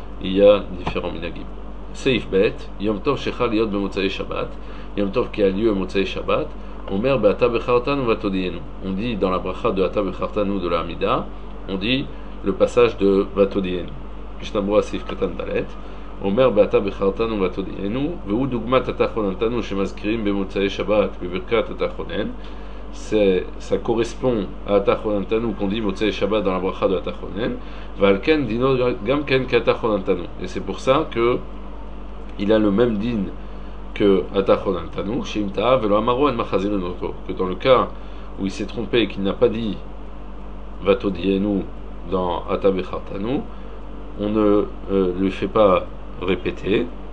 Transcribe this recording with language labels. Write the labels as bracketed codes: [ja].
[fr] Il y a différents minagim. [he] Seif Bet Yom Tov Shechal Yod Motzei Shabbat, [fr] Yom Tov qui a lieu à Motzei Shabbat, [he] Omer Beata Bechartanu Vatodienu. [fr] On dit dans la bracha de Ata Bechartanu de la Amida, on dit le passage de Vatodienu. [he] Mishnah Berurah Seif Katan Dalet. אומר באתה בחרתנו ותודיענו, והוא דוגמת התחוננתנו שמזכירים במוצאי שבת בברכת התחונן. [fr] Ça correspond à התחוננתנו, qu'on dit מוצאי שבת dans la ברכה de התחונן. [he] ועל כן דינו גם כן כהתחוננתנו. [fr] Et c'est pour ça que il a le même din que התחוננתנו, [he] שאם טעה ולא אמרו אין מחזיר אותו. [fr] Que dans le cas où il s'est trompé et qu'il n'a pas dit ותודיענו dans אתה בחרתנו, on ne lui fait pas répété.